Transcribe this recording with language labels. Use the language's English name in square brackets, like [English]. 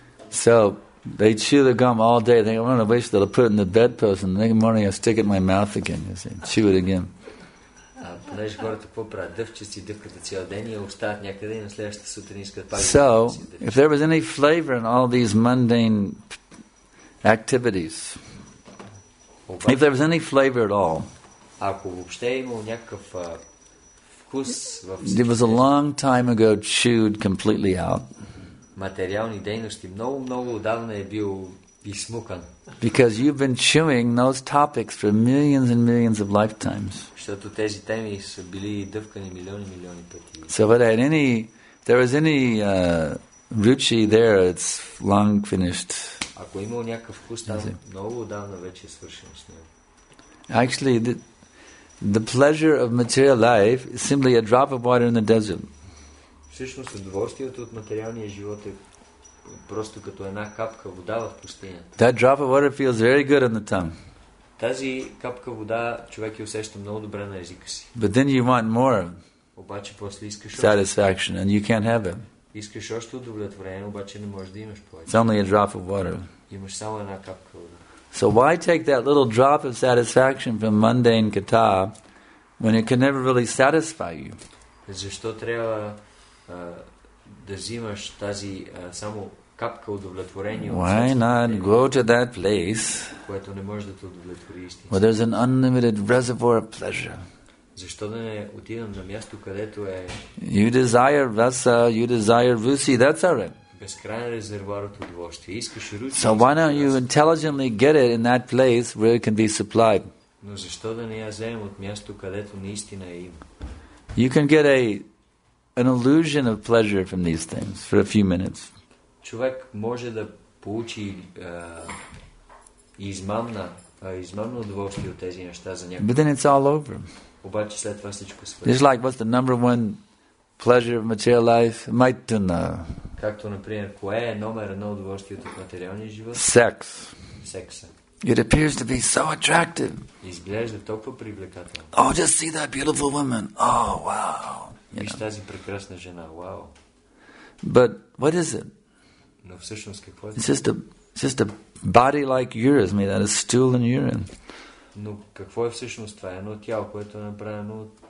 [English] So, they chew the gum all day. They think, I'm going to wish that I'll put it in the bedpost and the next morning I'll stick it in my mouth again. You see, chew it again. [Bulgarian] Понеже хората какво правят? Дъвчат си дъвката цял ден и остават някъде и на следващата сутрин искат пак. [English] So, if there was any flavor in all these mundane activities, if there was any flavor at all, [Bulgarian] ако въобще е имало някакъв вкус в всички, [English] it was a long time ago chewed completely out. [Bulgarian] Материални дейности много-много отдавна е бил изсмукан. [English] Because you've been chewing those topics for millions and millions of lifetimes. [Bulgarian] Защото тези теми са били дъвкани милиони и милиони пъти. [English] So if there is any ruchi there, it's long finished. [Bulgarian] Ако има някакъв вкус там, много отдавна вече е свършено с него. [English] Actually, the pleasure of material life is simply a drop of water in the desert. [Bulgarian] Всъщност удоволствието от материалния живот е просто като една капка вода в пустинята. [English] That drop of water feels very good on the tongue. [Bulgarian] Тази капка вода човек я усеща много добре на езика си. [English] But then you want more. [Bulgarian] Обаче после искаш [English] satisfaction and you can't have it. [Bulgarian] Искаш още удовлетворение, обаче не можеш да имаш повече. [English] It's only a drop of water. [Bulgarian] Имаш само една капка вода. [English] So why take that little drop of satisfaction from mundane katha when it can never really satisfy you? [Bulgarian] Защо трябва да взимаш тази само капка удовлетворение? [English] Why not go to that place, [Bulgarian] което не може да те удовлетвори истински? [English] Where there's an unlimited reservoir of pleasure. [Bulgarian] Защо да не отидам на място, където е... [English] You desire rasa, you desire rusi, that's all right. [Bulgarian] Безкрайен резервуар от удоволствие. Искаш руси. [English] So why don't you intelligently get it in that place where it can be supplied? [Bulgarian] Но защо да не я вземем от място, където наистина е има? [English] You can get an illusion of pleasure from these things for a few minutes. [Bulgarian] Човек може да получи измамно удоволствие от тези неща за някакво. [English] But then it's all over. [Bulgarian] Обаче след това всичко свършва. [English] It's like, what's the number one pleasure of material life? [Sanskrit] Майтуна. [Bulgarian] Както, например, кое е номер едно удоволствие от материалния живот? Секс. Секса. [English] It appears to be so attractive. [Bulgarian] Изглежда толкова привлекателно. [English] Oh, just see that beautiful woman. Oh, wow. [Bulgarian] Виж тази прекрасна жена. [English] Wow. But what is it? [Bulgarian] Но всъщност какво е? [English] It's just a body like yours, made out of stool and urine. [Bulgarian] Но какво е всъщност това? Едно тяло, което е направено от